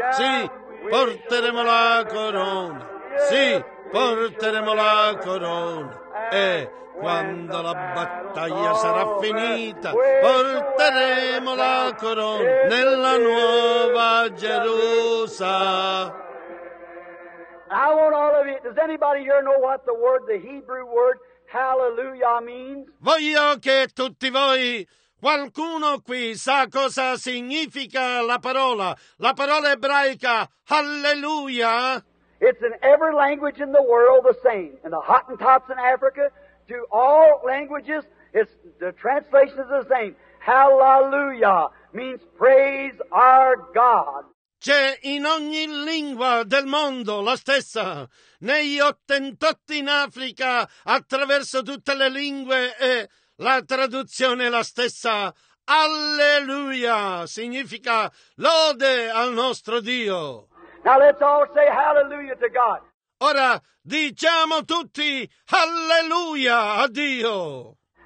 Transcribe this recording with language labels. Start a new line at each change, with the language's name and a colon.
Italian: Sì, porteremo la corona. Sì, porteremo la corona. E quando la battaglia sarà finita, porteremo la corona nella nuova Gerusalemme.
English: I want all of you. Does anybody here know what the word, the Hebrew word, hallelujah means?
Italian: Voglio che tutti voi, qualcuno qui sa cosa significa la parola ebraica, hallelujah?
English: It's in every language in the world the same. In the Hottentots in Africa, to all languages, it's, the translation is the same. Hallelujah means praise our God.
Italian: C'è in ogni lingua del mondo la stessa. Negli Ottentotti in Africa, attraverso tutte le lingue, la traduzione è la stessa. Alleluia significa lode al nostro Dio.
English: Now let's all say hallelujah to God.
Italian: Ora diciamo tutti alleluia a Dio.